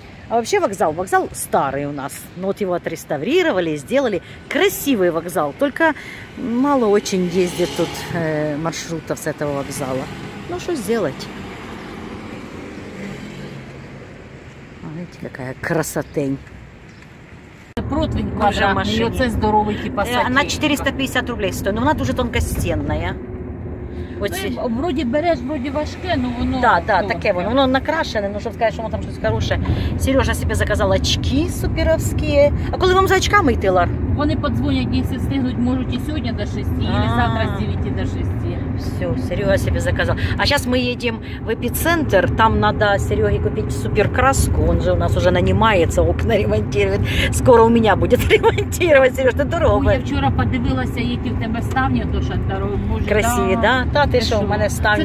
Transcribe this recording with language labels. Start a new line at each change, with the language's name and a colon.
Russian: А вообще вокзал старый у нас, но вот его отреставрировали, сделали красивый вокзал, только мало очень ездит тут маршрутов с этого вокзала. Ну что сделать? Видите, какая красотень. Это противень квадратный, это здоровый типа сатирика. Она 450 рублей стоит, но она уже тонкостенная.
Ukrainian: Вроді береш, вроді важке, але воно... Так, да, да, таке воно. Воно накрашене, ну, щоб сказати, що воно там щось хороше. Сережа собі заказав очки суперовські. А коли вам за очками йти, Лар? Вони подзвонять, якщо встигнуть, можуть і сьогодні до 6, і завтра з 9 до 6.
Russian: Все, Серега себе заказал. А сейчас мы едем в эпицентр. Там надо Сереге купить суперкраску. Он же у нас уже нанимается, окна ремонтирует. Скоро у меня будет ремонтировать, Сереж, ты дорогой.
Ukrainian: Я вчера подивилася, які в тебе ставни,
Russian: то что дорогой. Красивые, да? Да, ты что, у меня ставни.